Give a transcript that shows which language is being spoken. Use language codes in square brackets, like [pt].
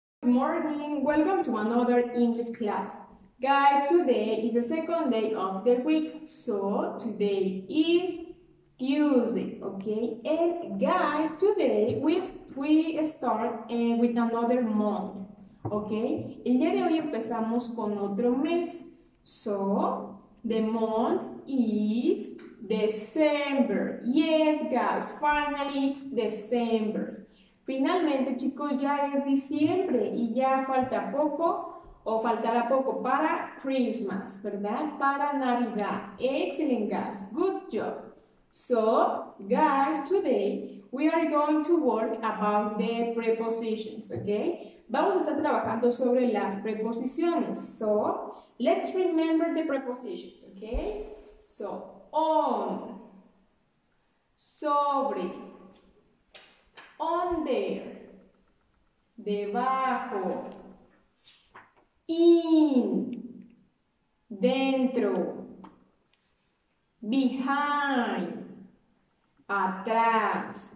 [en] morning, welcome to another English class. Guys, today is the second day of the week, so today is Tuesday, okay? And guys, today we start with another month, okay? [es] El día de hoy empezamos con otro mes, [en] so the month is December. Yes, guys, finally it's December. [es] Finalmente, chicos, ya es diciembre y ya falta poco o faltará poco para Christmas, ¿verdad? Para Navidad. [en] Excellent, guys. Good job. So, guys, today we are going to work about the prepositions, okay? [es] Vamos a estar trabajando sobre las preposiciones. [en] So, let's remember the prepositions, okay? So, on, sobre, under, debajo, in, dentro, behind, atrás.